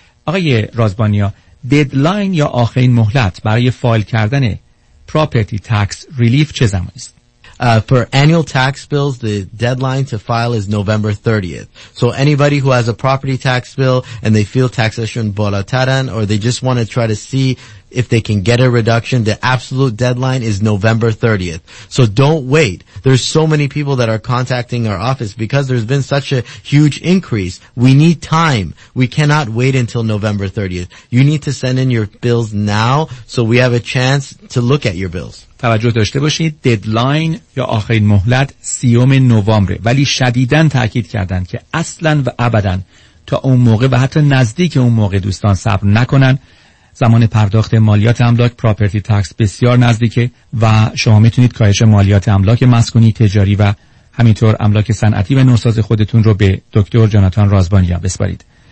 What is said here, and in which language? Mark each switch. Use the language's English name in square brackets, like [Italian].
[Persian] آقای رازبانیا, ددلاین یا آخرین مهلت برای فایل کردن پراپرتی تکس ریلیف چه زمانی است؟ [English] For annual tax bills, the deadline to file is November 30th. So anybody who has a property tax bill and they feel taxation bolataran, or they just want to try to see if they can get a reduction, the absolute deadline is November 30th. So don't wait. There's so many people that are contacting our office because there's been such a huge increase. We need time. We cannot wait until November 30th. You need to send in your bills now so we have a chance to look at your bills. [Persian] توجه داشته باشید ددلاین یا آخرین مهلت 30 نوامبره، ولی شدیداً تاکید کردن که اصلاً و ابداً تا اون موقع و حتی نزدیک اون موقع دوستان صبر نکنن. زمان پرداخت مالیات املاک پراپرتی تکس بسیار نزدیکه و شما میتونید کاهش مالیات املاک مسکونی، تجاری و همینطور املاک صنعتی و نوساز خودتون رو به دکتر جاناتان رازبانیا بسپارید.